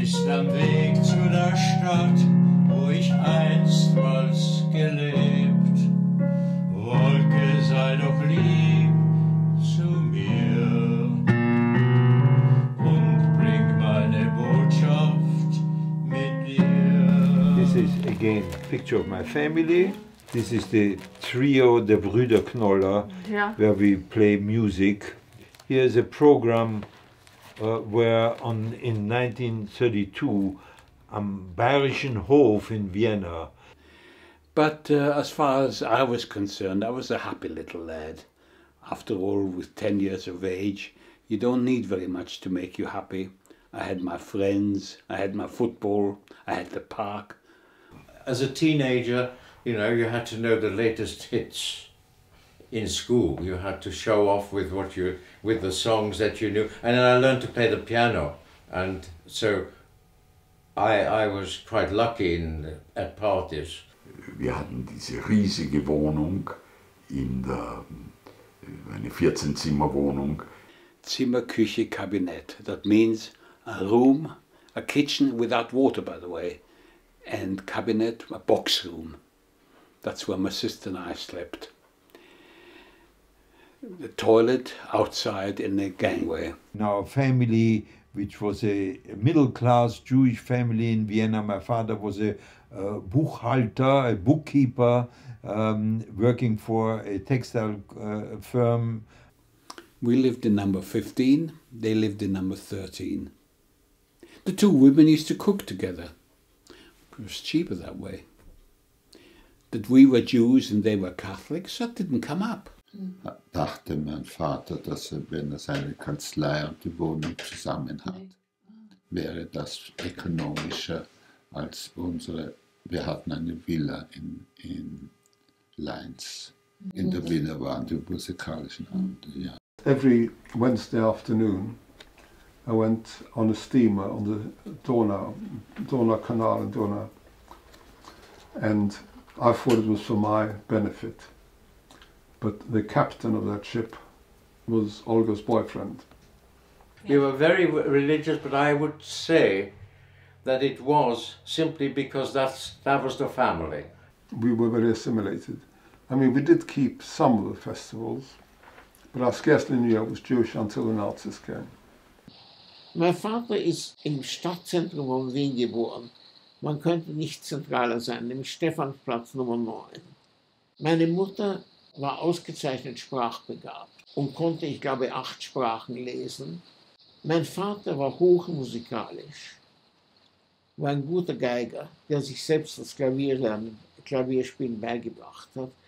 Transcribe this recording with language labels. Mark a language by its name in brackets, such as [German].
[German] am Weg zu der Stadt, wo ich einstmals gelebt. Wolke, sei doch lieb zu mir und bring meine Botschaft mit dir. [English] This is again a picture of my family. This is the trio, the Brüder Knoller, yeah, where we play music. Here is a program where in 1932, am Bayerischen Hof in Vienna. But as far as I was concerned, I was a happy little lad. After all, with 10 years of age, you don't need very much to make you happy. I had my friends, I had my football, I had the park. As a teenager, you know, you had to know the latest hits in school. You had to show off with what you, with the songs that you knew. And then I learned to play the piano. And so I was quite lucky at parties. [German] Wir hatten diese riesige Wohnung in der, eine 14-Zimmer-Wohnung. Zimmer, Küche, Kabinett. [English] That means a room, a kitchen without water, by the way. And Kabinett, a box room. That's where my sister and I slept. The toilet outside in the gangway. In our family, which was a middle-class Jewish family in Vienna, my father was a Buchhalter, a bookkeeper, working for a textile firm. We lived in number 15, they lived in number 13. The two women used to cook together. It was cheaper that way. That we were Jews and they were Catholics, that didn't come up. [German] Dachte mein Vater, dass er, wenn er seine Kanzlei und die Wohnung zusammen hat, wäre das ökonomischer als unsere. Wir hatten eine Villa in Linz. In der Villa waren die musikalischen Abende, ja. [English] Every Wednesday afternoon, I went on a steamer on the Donaukanal in Donau. And I thought it was for my benefit, but the captain of that ship was Olga's boyfriend. We were very religious, but I would say that it was simply because that was the family. We were very assimilated. I mean, we did keep some of the festivals, but I scarcely knew I was Jewish until the Nazis came. My father is [German] im Stadtzentrum von Wien geboren. Man könnte nicht zentraler sein, nämlich Stephansplatz Nummer 9. Meine Mutter war ausgezeichnet sprachbegabt und konnte, ich glaube, 8 Sprachen lesen. Mein Vater war hochmusikalisch, war ein guter Geiger, der sich selbst das Klavierspielen beigebracht hat.